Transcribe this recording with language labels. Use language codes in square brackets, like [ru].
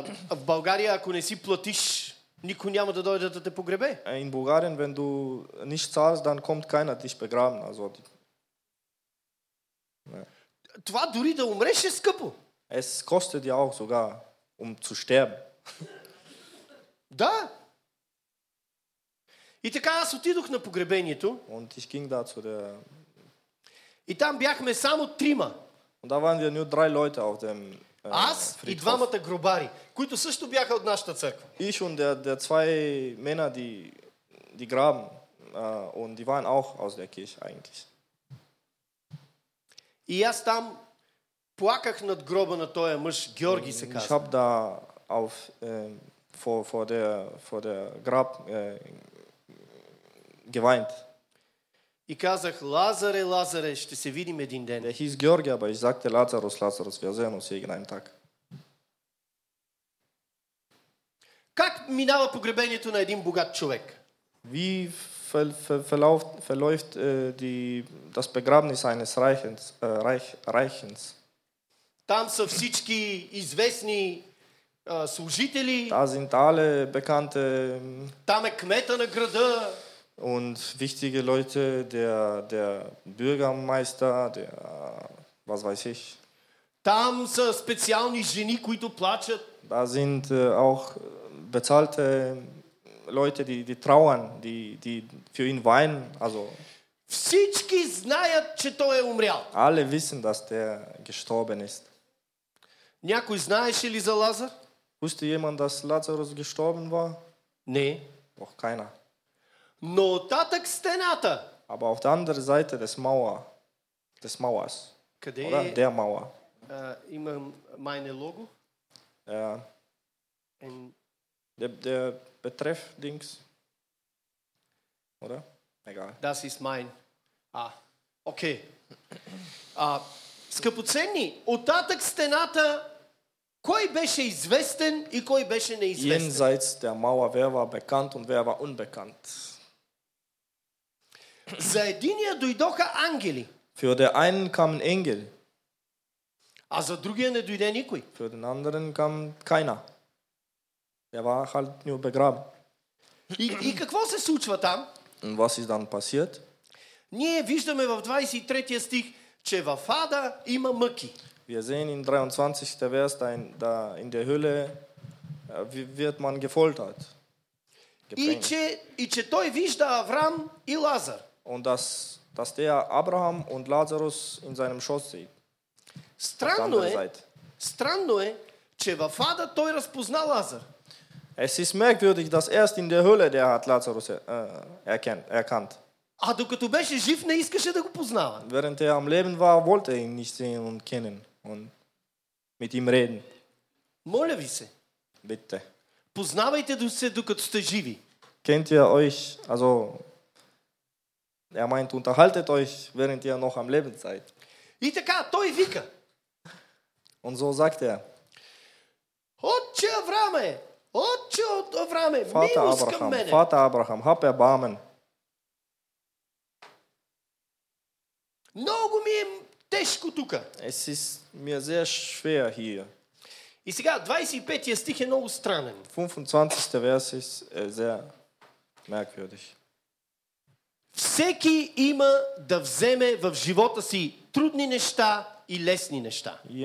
[bg] В България, ако не си платиш, никой няма да дойде да те погребе. [de] In Bulgarien, wenn du nicht zahlst, dann kommt keiner dich begraben. Also... [bg] Това дори да умреш е скъпо. [de] Es kostet ja auch sogar, zu sterben. [bg] Да. И така аз отидох на погребението. [de] Und ich ging da zu der... [bg] И там бяхме само трима. [de] Und da waren wir nur drei Leute auf dem... [bg] Аз и двамата гробари, които също бяха от нашата църква. [de] Ich und der zwei Männer, die graben, und die waren auch aus der Kirche eigentlich. [bg] И аз там плаках над гроба на този мъж, Георги се казва. [de] Ich habe da auf vor der Grab geweint. [bg] И казах: "Лазаре, Лазаре, ще се видим един ден." [de] Der hieß Georgi, aber ich sagte: "Lazarus, Lazarus, wir sehen uns irgendeinen Tag." [bg] Как минава погребението на един богат човек? [de] Wie verläuft das Begräbnis eines Reichens? [bg] Там са всички известни служители. [de] Da sind alle bekannte. [bg] Там е кмета на града. [de] Und wichtige Leute, der Bürgermeister, der was weiß ich. [bg] Там са специални жени, които плачат. [de] Da sind auch bezahlte Leute, die trauern, die für ihn weinen, also [bg] Всички знаят, че той е умрял. [de] Alle wissen, dass der gestorben ist. [bg] Някой знаеше ли за Лазар? [de] Wusste jemand, dass Lazarus gestorben war? [bg] Не. [de] Auch keiner. [bg] Но оттатък стената. [de] Aber auf der anderen Seite des Mauer, des Mauers. [bg] Къде? [de] Oder der Mauer. [bg] Имам [de] meine Logo. Ja. Der Betreff Dings. Oder? Egal. Das ist mein. Okay. [bg] Скъпоценни, оттатък стената, кой беше известен и кой беше неизвестен? [de] Jenseits der Mauer, wer war bekannt und wer war unbekannt? [bg] За единия дойдоха ангели. [de] Für den einen kamen Engel. [bg] А за другия не дойде никой. [de] Für den anderen kam keiner. Er war halt nur begraben. [bg] И какво се случва там? [de] Und was ist dann passiert? [bg] Ние виждаме в 23-я стих, че в Ада има мъки. [de] Wir sehen in 23. Vers, da in der Hölle wird man gefoltert. [bg] И че той вижда Авраам и Лазар. [de] Und dass der Abraham und Lazarus in seinem Schoß sieht. [bg] Странно е, че в Ада той разпозна Лазар. [de] Es ist merkwürdig, dass erst in der Hölle der hat Lazarus erkannt. [bg] А докато беше жив, не искаше да го познава. [de] Während er am Leben war, wollte ihn nicht sehen und kennen und mit ihm reden. [bg] Моля ви се. [de] Bitte. [bg] Познавайте се, докато сте живи. [de] Kennt ihr euch, also er meint, unterhaltet euch, während ihr noch am Leben seid. [bg] И така, той вика. [de] Und so sagt er. [bg] Отче Авраме, отче Авраме, милост към мене. [de] Vater Abraham, hab erbarmen. [bg] Много ми е тежко тука. [de] Es ist mir sehr schwer hier. [bg] И сега 25-я стих е много странен. [de] 25-ste Vers ist sehr merkwürdig. [bg] Всеки има да вземе в живота си трудни неща и лесни неща.